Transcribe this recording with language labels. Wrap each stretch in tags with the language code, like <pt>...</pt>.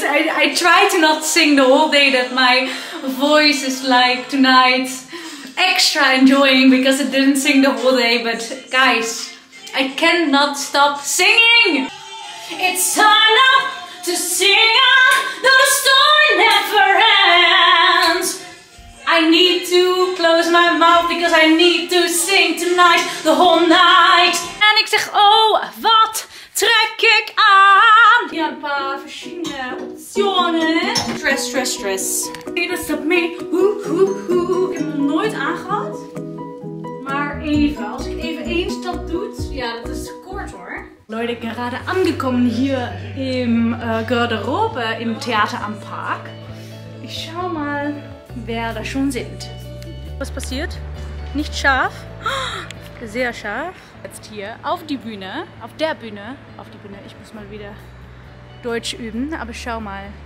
<en>I try to not sing the whole day that my voice is like tonight extra enjoying because it didn't sing the whole day, but guys, I cannot stop singing! It's time now to sing on, though the story never ends. I need to close my mouth because I need to sing tonight, the whole night.</en> <nl>En ik zeg, oh, wat trek ik aan? Ja, een paar verschillende opties. Stress, stress, stress. Dit is dat mee. Hoe, hoe, hoe. Ik heb het nooit aangehad. Maar even, als ik even één stap doe. Ja, dat is kort hoor.</nl> <de>Leute, gerade angekommen hier im Garderobe im Theater am Park. Ich schau mal, wer da schon sind. Was passiert? Nicht scharf. Sehr scharf. Jetzt hier auf die Bühne, auf der Bühne, auf die Bühne. Ich muss mal wieder Deutsch üben, aber schau mal.</de>